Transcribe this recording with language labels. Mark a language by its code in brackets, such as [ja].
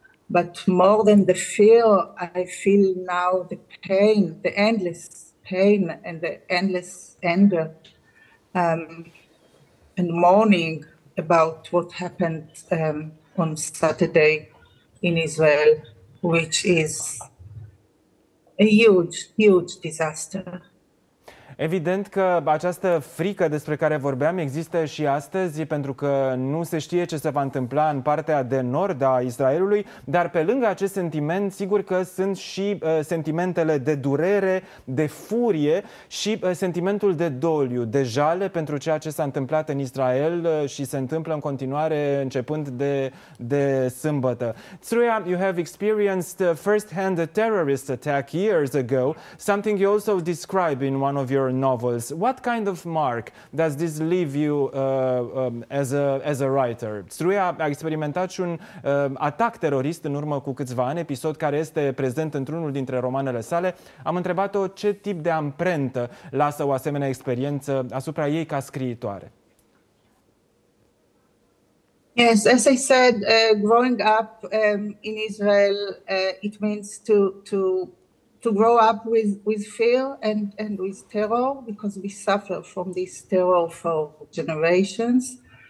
[en] But more than the fear, I feel now the pain, the endless pain and the endless anger and mourning about what happened on Saturday in Israel, which is a huge, huge disaster. [ro] Evident că această frică despre care vorbeam există și astăzi, pentru că nu se știe ce se va întâmpla în partea de nord a Israelului, dar pe lângă acest sentiment, sigur că sunt și sentimentele de durere, de furie și sentimentul de doliu, de jale pentru ceea ce s-a întâmplat în Israel și se întâmplă în continuare începând de sâmbătă. [en] Tsruya, you have experienced first-hand a terrorist attack years ago, something you also describe in one of your novels. What kind of mark does this leave you as a writer? [ro] Tsruya a experimentat și un atac terorist în urmă cu câțiva ani, episod care este prezent într-unul dintre romanele sale. Am întrebat-o ce tip de amprentă lasă o asemenea experiență asupra ei ca scriitoare. [en] Yes, as I said, growing up in Israel, it means to grow up with fear and with terror, because we suffer from this terror for generations.